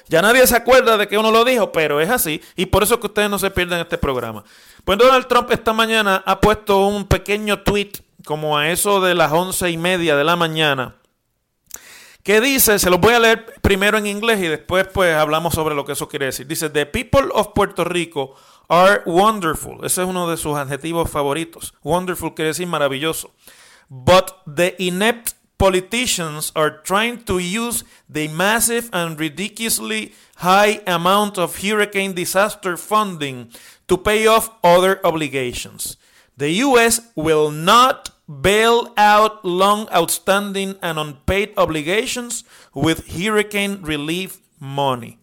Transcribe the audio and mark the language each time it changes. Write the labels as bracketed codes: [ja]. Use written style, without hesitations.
[es] Ya nadie se acuerda de que uno lo dijo, pero es así. Y por eso es que ustedes no se pierden este programa. Pues Donald Trump esta mañana ha puesto un pequeño tweet, como a eso de las 11:30 de la mañana, que dice, se los voy a leer primero en inglés y después pues hablamos sobre lo que eso quiere decir. [en] Dice, "The people of Puerto Rico are wonderful." [es] Ese es uno de sus adjetivos favoritos. Wonderful quiere decir maravilloso. [en] "But the inept politicians are trying to use the massive and ridiculously high amount of hurricane disaster funding to pay off other obligations. The U.S. will not bail out long outstanding and unpaid obligations with hurricane relief money."